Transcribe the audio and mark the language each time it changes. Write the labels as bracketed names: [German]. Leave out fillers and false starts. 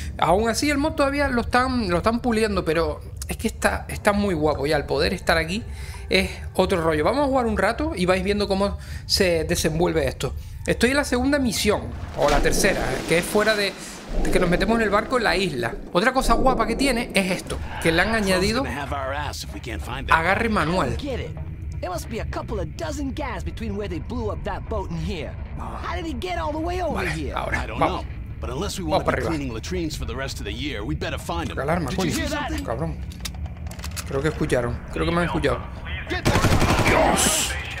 [Spanish] Aún así, el mod todavía lo están puliendo, pero es que está muy guapo ya. El poder estar aquí es otro rollo. Vamos a jugar un rato y vais viendo cómo se desenvuelve esto. Estoy en la segunda misión, o la tercera, que es fuera de que nos metemos en el barco en la isla. Otra cosa guapa que tiene es esto, que le han añadido agarre manual. [English] There must be a couple of dozen guys between where they blew up that boat in here. How did he get all the way over here? [Spanish] Vale, ahora, [English] I don't know. But unless we want to be cleaning latrines for the rest of the year, we'd better find him. Alarma, did you hear that? [Spanish] Cabrón. Creo que escucharon. Creo que me han escuchado. Dios.